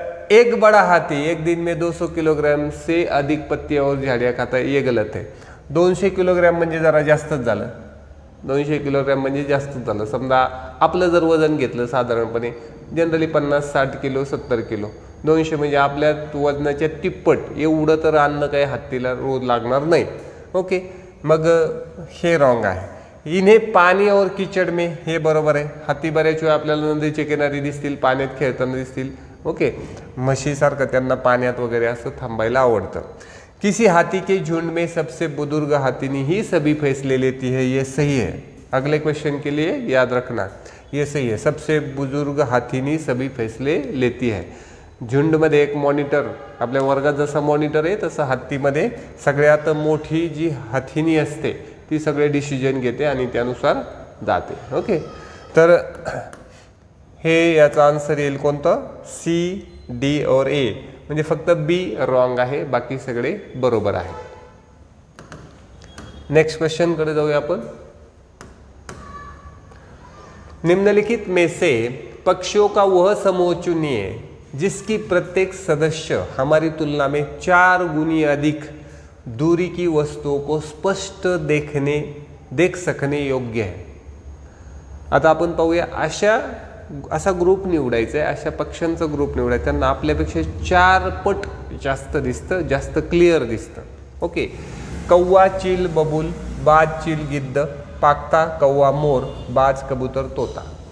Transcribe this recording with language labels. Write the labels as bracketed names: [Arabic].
[Hindi] एक बड़ा हाथी एक दिन में 200 किलोग्राम से अधिक पत्ती और झाड्या खाता, ये गलत है. [Marathi] 200 किलोग्राम म्हणजे जरा जास्तच झालं. 200 किलोग्राम म्हणजे जास्तच झालं. समजा आपलं जर वजन घेतलं साधारणपणे, जनरली 50-60 किलो 70 किलो, 200 म्हणजे आपल्या वजनाच्या तिप्पट, एवढं तर अन्न काही हत्तीला रोज लागणार नाही. ओके, मग हे रॉंग आहे. [Hindi] इने पाणी और किचड मे, [Marathi] हे बरोबर आहे. हत्ती बऱ्याच वेळा आपल्याला नदीचे किनारी दिसतील, पाण्यात खेळताना दिसतील. ओके, म्हशीसारखं त्यांना पाण्यात वगैरे असं थांबायला आवडतं. [Hindi] किसी हाथी के झुंड में सबसे बुजुर्ग हाथी ने ही सभी फैसले लेती है, ये सही है. अगले क्वेश्चन के लिए याद रखना, ये सही है. सबसे बुजुर्ग हाथी ने सभी फैसले लेती है. [Marathi] झुंड मध्ये एक मॉनिटर, आपल्या वर्गात जसा मॉनिटर आहे तसं हत्तीमध्ये सगळ्यात मोठी जी हाथीनी असते ती सगळे डिसिजन घेते आणि त्यानुसार जाते. ओके, तर हे याचं आन्सर येईल कोणतं, सी डी ओर ए. म्हणजे फक्त बी रॉंग आहे, बाकी सगळे बरोबर आहे. नेक्स्ट क्वेश्चन कडे जाऊया आपण. [Hindi] निम्नलिखित में से पक्षियों का वह समूह चुनिए जिसकी प्रत्येक सदस्य हमारी तुलना में 4 गुनी अधिक दूरी की वस्तुओं को स्पष्ट देख सकने योग्य है. [Marathi] आता आपण पाहूया, असा ग्रुप निवडायचा आहे, अशा पक्ष्यांचा ग्रुप निवडायचा, त्यांना आपल्यापेक्षा 4 पट जास्त दिसतं, जास्त क्लिअर दिसतं. [Hindi] ओके, कौवा चिल बबूल, बाज चिल गिद्ध, पाकता कौवा मोर, बाज कबूतर तोता.